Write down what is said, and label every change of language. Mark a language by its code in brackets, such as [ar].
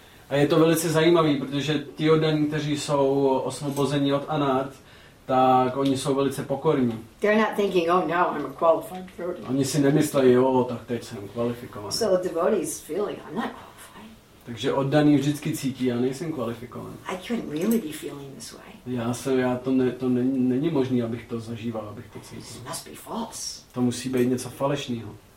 [cs] A je to velice zajímavý, protože ti oddaní, kteří jsou osvobozeni od anarth, tak oni jsou velice pokorní. [en] They're not thinking, oh no, I'm a qualified devotee. [cs] Oni si nemyslejí, jo, tak teď jsem kvalifikovaný. [en] So the devotee is feeling, I'm not qualified. [cs] Takže oddaný vždycky cítí, já nejsem kvalifikovaný. [en] I couldn't really be feeling this way. [cs] Já to není možný, abych to zažíval, abych to cítil. [en] This must be false. [cs] To musí být něco falešného.